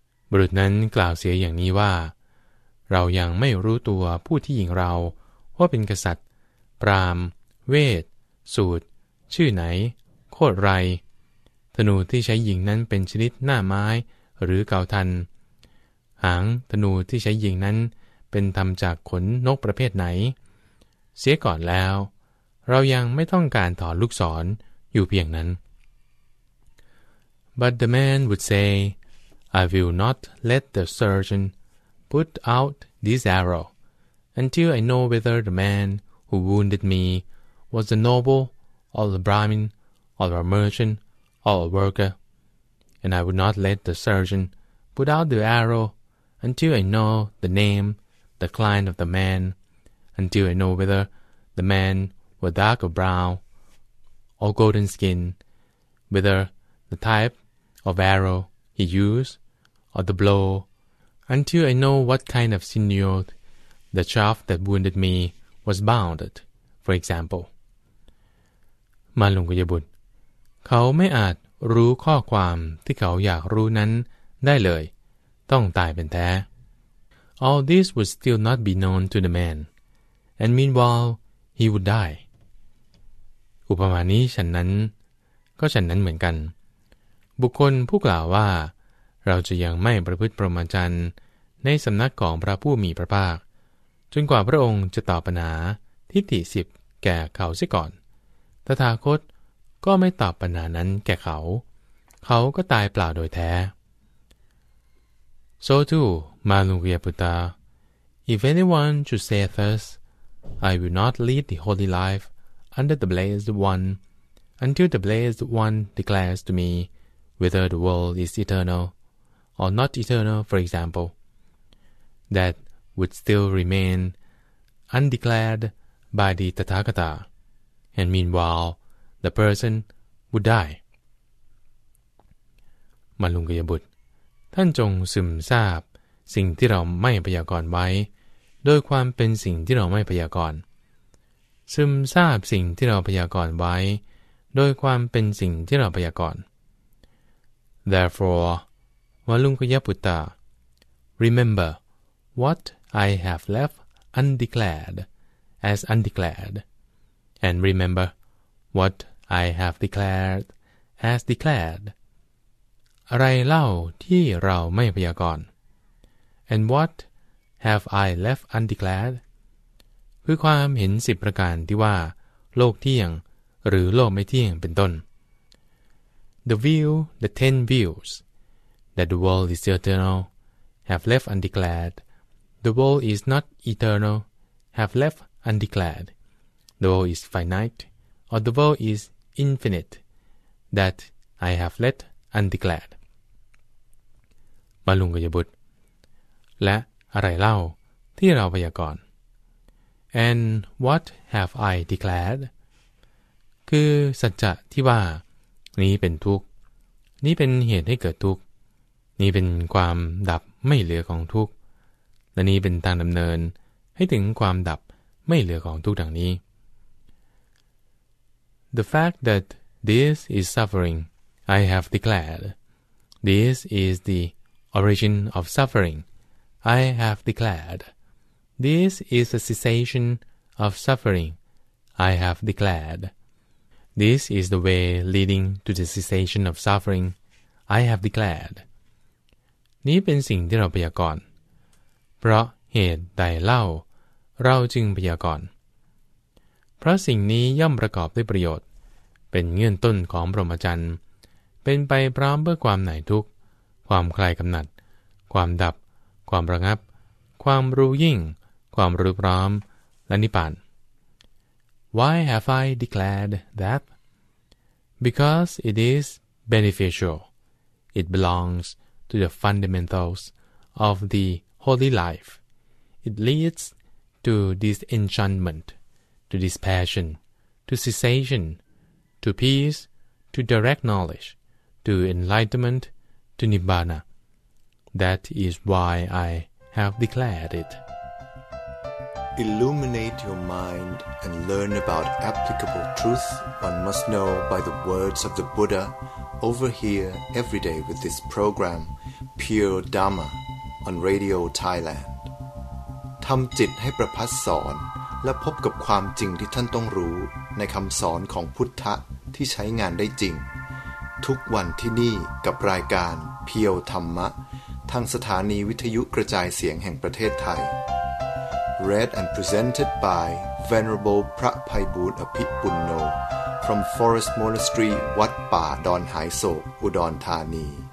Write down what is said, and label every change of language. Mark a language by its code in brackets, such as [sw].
[th] บุรุษนั้นกล่าวเสียอย่างนี้ว่าเรายังไม่รู้ตัวผู้ที่ยิงเราว่าเป็นกษัตริย์พราหมณ์เวทสูตรชื่อไหนโคตรไรธนูที่ใช้ยิงนั้นเป็นชนิดหน้าไม้หรือเกาทันหางธนูที่ใช้ยิงนั้นเป็นทำจากขนนกประเภทไหนเสียก่อนแล้วเรายังไม่ต้องการถอนลูกศรอยู่เพียงนั้น [en] But the man would say, I will not let the surgeon put out this arrow until I know whether the man who wounded me was a noble or a Brahmin or a merchant or a worker, and I would not let the surgeon put out the arrow until I know the nameThe client of the man, until I know whether the man were dark or brown, or golden skin, whether the type of arrow he used, or the blow, until I know what kind of sinew the shaft that wounded me was bound, for example. [th] มาลุงกัจจบุตรเขาไม่อาจรู้ข้อความที่เขาอยากรู้นั้นได้เลยต้องตายเป็นแท้ [en] All this would still not be known to the man, and meanwhile, he would die. [th] อุปมานี้ฉันนั้นก็ฉันนั้นเหมือนกันบุคคลผู้กล่าวว่าเราจะยังไม่ประพฤติพรหมจรรย์ในสำนักของพระผู้มีพระภาคจนกว่าพระองค์จะตอบปัญหาทิฏฐิ10แก่เขาเสียก่อนตถาคตก็ไม่ตอบปัญหานั้นแก่เขาเขาก็ตายเปล่าโดยแท้ [en] So too, Malungyaputta, if anyone should say thus, I will not lead the holy life under the blessed one until the blessed one declares to me whether the world is eternal or not eternal, for example, that would still remain undeclared by the Tathagata, and meanwhile, the person would die. Malungyaputta. [th] ท่านจงซึมซาบสิ่งที่เราไม่พยากรณ์ไว้โดยความเป็นสิ่งที่เราไม่พยากรณ์ซึมซาบสิ่งที่เราพยากรณ์ไว้โดยความเป็นสิ่งที่เราพยากรณ์ [en] Therefore, Malungkayaputta, remember what I have left undeclared as undeclared, and remember what I have declared as declared. [th] อะไรเล่าที่เราไม่พยากรณ์ [en] And what have I left undeclared? [th] คือความเห็นสิบประการที่ว่าโลกเที่ยงหรือโลกไม่เที่ยงเป็นต้น [en] The view, the 10 views that the world is eternal have left undeclared. The world is not eternal have left undeclared. The world is finite or the world is infinite that I have letUndeclared. [th] มาลุงกัจจบุตรและอะไรเล่าที่เราพยากรณ์ [en] And what have I declared? [th] คือสัจจะที่ว่านี้เป็นทุกข์นี้เป็นเหตุให้เกิดทุกข์นี้เป็นความดับไม่เหลือของทุกข์และนี้เป็นทางดำเนินให้ถึงความดับไม่เหลือของทุกข์ดังนี้ [en] The fact that this is suffering I have declared. This is the origin of suffering. I have declared. This is the cessation of suffering. I have declared. This is the way leading to the cessation of suffering. I have declared. [th] นี้เป็นสิ่งที่เราพยากรณ์เพราะเหตุใดเล่าเราจึงพยากรณ์เพราะสิ่งนี้ย่อมประกอบด้วยประโยชน์เป็นเงื่อนต้นของพรหมจรรย์เป็นไปพร้อมเพื่อความหน่ายทุกข์ความคลายกำหนัดความดับความระงับความรู้ยิ่งความรู้พร้อมและนิพพาน [en] Why have I declared that? Because it is beneficial. It belongs to the fundamentals of the holy life. It leads to disenchantmentTo dispassion, to cessation, to peace, to direct knowledge, to enlightenment, to nibbana. That is why I have declared it. Illuminate your mind and learn about applicable truth one must know by the words of the Buddha over here every day with this program, Pure Dharma, on Radio Thailand. [th] ทำจิตให้ประพัสสอนและพบกับความจริงที่ท่านต้องรู้ในคำสอนของพุทธะที่ใช้งานได้จริงทุกวันที่นี่กับรายการเพียวธรรมะทางสถานีวิทยุกระจายเสียงแห่งประเทศไทย [en] Read and presented by Venerable [th] พระไพบูลย์อภิปุณโญ [en] from Forest Monastery [th] วัดป่าดอนหายโศกอุดรธานี